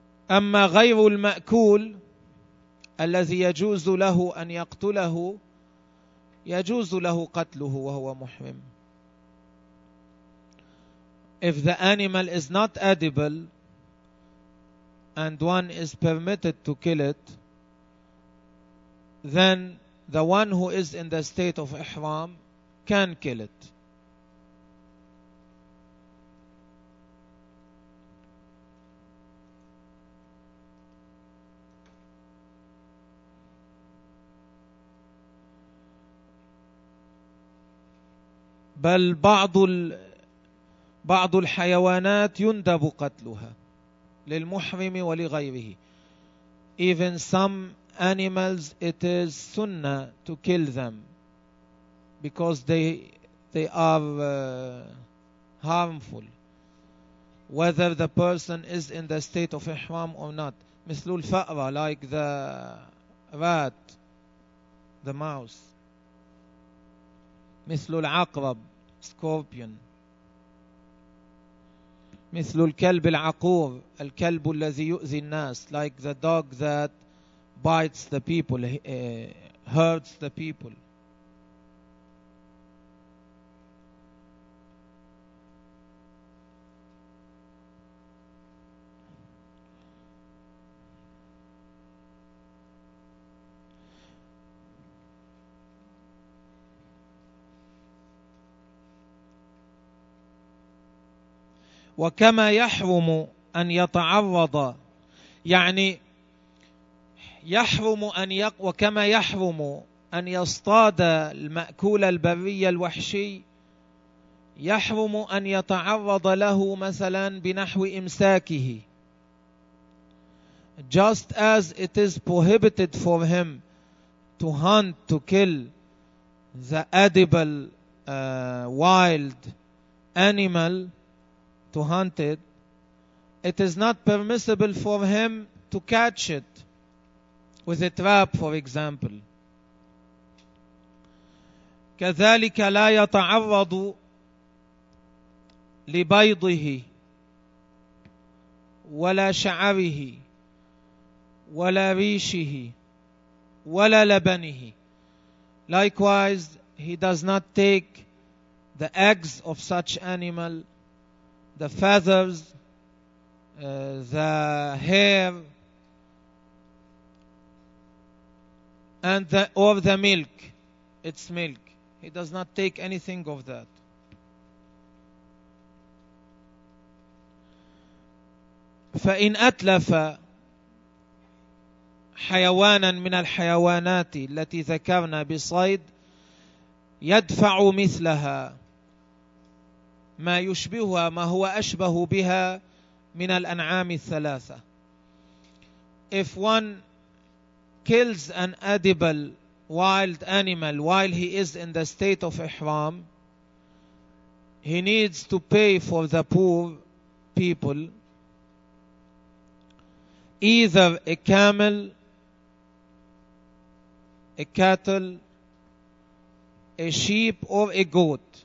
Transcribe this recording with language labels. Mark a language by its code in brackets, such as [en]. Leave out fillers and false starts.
[ar] أما غير المأكول الذي يجوز له أن يقتله يجوز له قتله وهو محرم. [en] If the animal is not edible and one is permitted to kill it, then the one who is in the state of ihram can kill it. [ar] بل بعض الحيوانات يندب قتلها للمحرم ولغيره. [en] Even some animals it is sunnah to kill them because they are harmful whether the person is in the state of ihram or not. [ar] مثل الفأرة, [en] like the rat, the mouse. [ar] مثل العقرب, scorpion. مثل الكلب العقور, الكلب الذي يؤذي الناس, [en] like the dog that bites the people, hurts the people. [ar] وكما يحرم أن يتعرض, يعني يحرم أن يق, وكما يحرم أن يصطاد المأكول البري الوحشي, يحرم أن يتعرض له مثلا بنحو إمساكه. [en] Just as it is prohibited for him to hunt, to kill the edible wild animal, to hunt it, it is not permissible for him to catch it with a trap, for example. [ar] كذلك لا يتعرض لبيضه ولا شعره ولا ريشه ولا لبنه. [en] Likewise, he does not take the eggs of such animal, the feathers, the hair, or the milk, its milk. He does not take anything of that. [ar] فإن أتلف حيوانا من الحيوانات التي ذكرنا بصيد يدفع مثلها ما يشبهها ما هو أشبه بها من الأنعام الثلاثة. [en] If one kills an edible wild animal while he is in the state of ihram, he needs to pay for the poor people either a camel, a cattle, a sheep, or a goat,